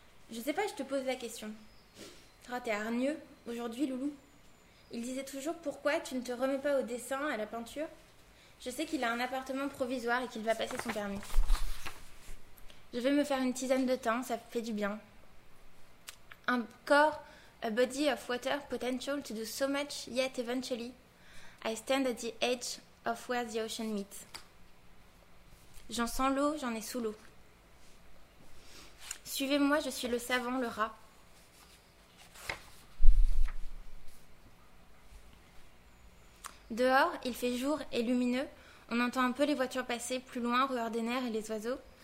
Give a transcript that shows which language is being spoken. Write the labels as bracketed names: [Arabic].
[French] Je sais pas, je te pose la question. Oh, t'es hargneux aujourd'hui, loulou. Il disait toujours « Pourquoi tu ne te remets pas au dessin, à la peinture ?» Je sais qu'il a un appartement provisoire et qu'il va passer son permis. Je vais me faire une tisane de thym, ça fait du bien. [English] Un corps, a body of water, potential to do so much, yet eventually, I stand at the edge of where the ocean meets. [French] J'en sens l'eau, j'en ai sous l'eau. Suivez-moi, je suis le savant, le rat. Dehors, il fait jour et lumineux. On entend un peu les voitures passer plus loin, rueur des nerfs et les oiseaux.